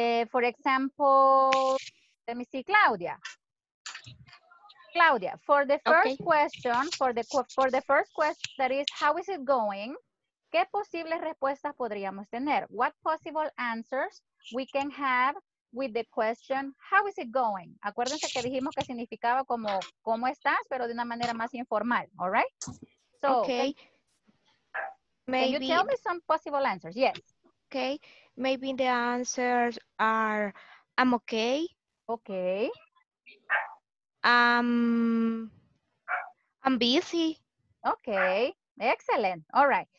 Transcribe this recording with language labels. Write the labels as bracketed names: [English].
[English] For example, let me see, Claudia. Claudia, for the first question, for the first question, that is, how is it going? [Spanish] ¿Qué posibles respuestas podríamos tener? [English] What possible answers we can have with the question, how is it going? [Spanish] Acuérdense que dijimos que significaba como, ¿cómo estás? Pero de una manera más informal, [English] all right? So, okay. Maybe, can you tell me some possible answers? Yes. Okay, maybe the answers are, I'm okay. Okay. I'm busy. Okay, excellent, all right.